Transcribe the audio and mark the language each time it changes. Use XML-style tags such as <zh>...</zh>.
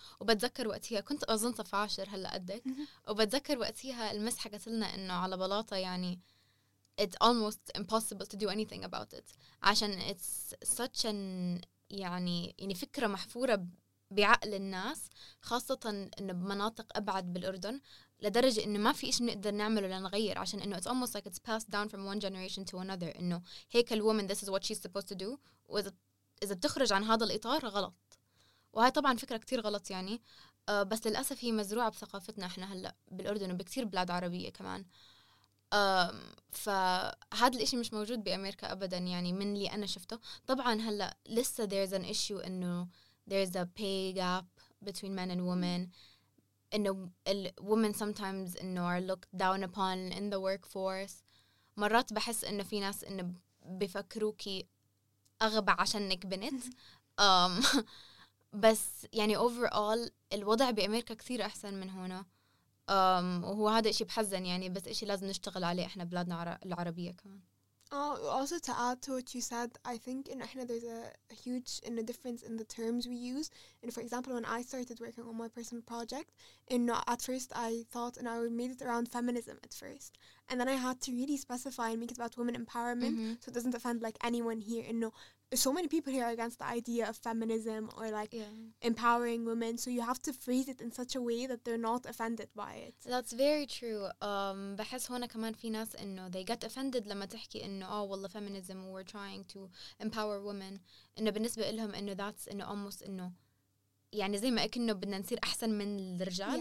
<ar>وبتذكر وقتها كنت أظن 19 هلا قدك وبتذكر وقتها المسحة قالت لنا إنه على بلاطة يعني</ar> <en>it's almost impossible to do anything about it</en> <ar>عشان</ar> <en>it's such an</en> <ar>يعني فكرة محفورة بعقل الناس خاصة إنه بمناطق أبعد بالأردن لدرجة إنه ما في إيش نقدر نعمله لنغير عشان إنه</ar> <en>it's almost like it's passed down from one generation to another</en> <ar>إنه هيك ال</ar> <en>woman this is what she's supposed to do</en> <ar>إذا بتخرج عن هذا الإطار غلط. وهي طبعا فكرة كتير غلط يعني بس للأسف هي مزروعة بثقافتنا إحنا هلأ بالأردن وبكتير بلاد عربية كمان. فهذا الإشي مش موجود بأمريكا أبدا يعني من اللي أنا شفته. طبعا هلأ لسه</ar> <en>there's an issue إنه there's a pay gap between men and women إنه ال women sometimes إنه are looked down upon in the workforce.</en> <ar>مرات بحس إنه في ناس إنه بفكروكي أغبى عشانك بنت. بس يعني overall الوضع بأمريكا كثير أحسن من هنا وهو هذا إشي بحزن يعني بس إشي لازم نشتغل عليه إحنا بلادنا العربية كمان.</ar> <en>Also to add to what you said, I think in</en> <ar>إحنا</ar> <en>there's a huge in a difference in the terms we use. And for example, when I started working on my personal project, at first I thought and I made it around feminism at first. And then I had to really specify and make it about women empowerment mm-hmm. so it doesn't offend like anyone here. And so many people here are against the idea of feminism or like yeah. empowering women. So you have to phrase it in such a way that they're not offended by it. That's very true.</en> <ar>بحس هنا كمان في ناس</ar> <en>they get offended</en> <ar>لما تحكي والله</ar> <en>feminism we're trying to empower women.</en> <ar>بالنسبة لهم</ar> <en>that's almost</en> <ar>يعني زي ما كنا بدنا نصير أحسن من الرجال.</ar>